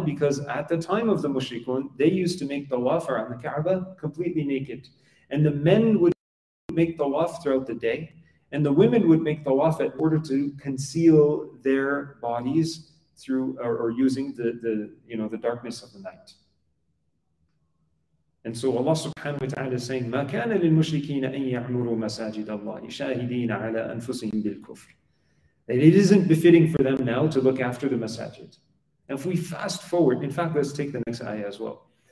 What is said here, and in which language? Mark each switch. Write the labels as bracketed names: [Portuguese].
[English] Because at the time of the mushrikun, they used to make tawaf around the Kaaba completely naked. And the men would make tawaf throughout the day, and the women would make tawaf in order to conceal their bodies through or using the darkness of the night. And so Allah subhanahu wa ta'ala is saying, [Arabic] مَا كَانَ لِلْمُشْرِكِينَ أَن يَعْمُرُوا مَسَاجِدَ اللَّهِ شَاهِدِينَ عَلَى أَنفُسِهِمْ بِالْكُفْرِ. [English] And it isn't befitting for them now to look after the masajid. And if we fast forward, in fact, let's take the next ayah as well.